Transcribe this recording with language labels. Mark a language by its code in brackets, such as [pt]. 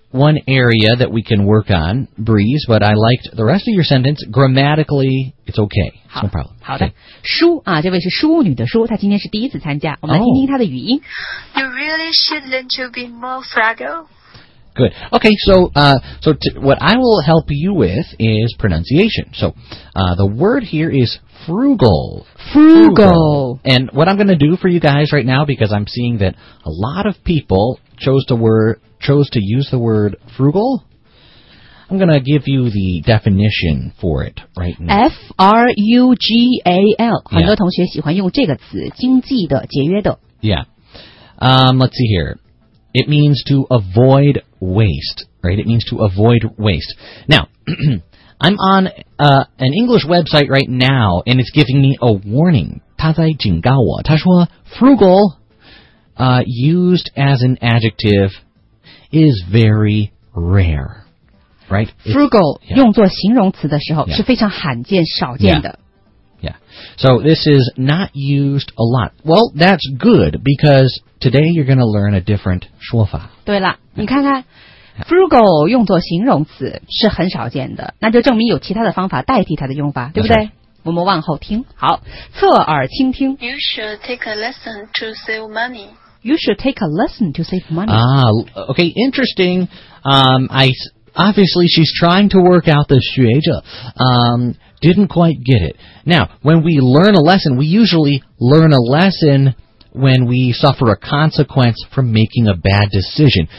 [en] One area that we can work on, Breeze, but I liked the rest of your sentence. Grammatically, it's okay. It's no problem. [zh] 好的。书啊，这位是淑女的书，她今天是第一次参加。我们来听听她的语音。Oh. [en] You really should learn to be more frugal. Good. Okay, what I will help you with is pronunciation. So, the word here is frugal. Frugal. And what I'm going to do for you guys right now, because I'm seeing that a lot of people chose to use the word frugal, I'm going to give you the definition for it right now. F-R-U-G-A-L. [zh] 很多同学喜欢用这个词，经济的，节约的。 [en] Yeah. Let's see here. It means to avoid waste, right? It means to avoid waste. Now, I'm on an English website right now, and it's giving me a warning. [zh] 他在警告我，他说 [en] frugal, used as an adjective,is very rare, right? [zh] Frugal, yeah. 用作形容词的时候、yeah. 是非常罕见、少见的。 [en] Yeah. Yeah. So this is not used a lot. Well, that's good, because today you're going to learn a different [zh] 说法。对了、yeah. 你看看、yeah. Frugal 用作形容词是很少见的，那就证明有其他的方法代替它的用法，对不对、 [en] right. [zh] 我们往后听。好，侧耳倾听。 [en] You should take a lesson to save money You should take a lesson to save money. Ah, okay, interesting. Obviously, she's trying to work out the 学者. Didn't quite get it. Now, when we learn a lesson, we usually learn a lesson when we suffer a consequence from making a bad decision.